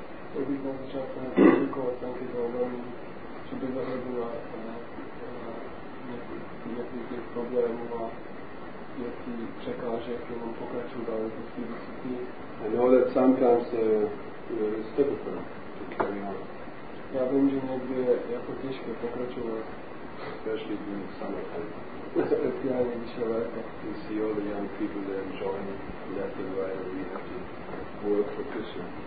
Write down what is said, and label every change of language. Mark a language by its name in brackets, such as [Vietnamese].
[English] I know that sometimes it's difficult to carry on. [Czech] Já vím, že někdy je jako těžké pokračovat. [English] Especially during the summertime. [Czech] Speciálně když je léto. [English] You see all the young people there enjoying left and right, and we have to work for Krishna.